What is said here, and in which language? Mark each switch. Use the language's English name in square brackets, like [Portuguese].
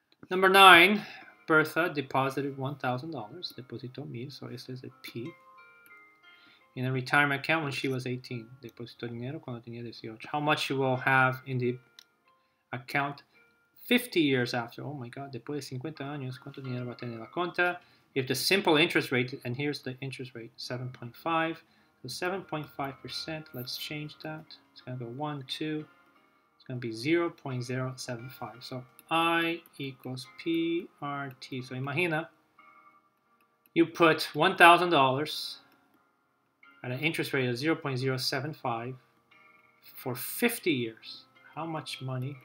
[English] Number 9, Bertha deposited $1,000. Deposito me, so it says a P. In a retirement account when she was 18. [Spanish] Depositó dinero cuando tenía 18. [English] How much she will have in the account 50 years after? [Spanish] Oh my God, después de 50 años, ¿cuánto dinero va a tener la cuenta? [English] If the simple interest rate, and here's the interest rate, 7.5. So 7.5%, let's change that. It's going to go 1, 2. It's going to be 0.075. So I equals PRT. So imagina, you put $1,000 at an interest rate of 0.075 for 50 years. How much money?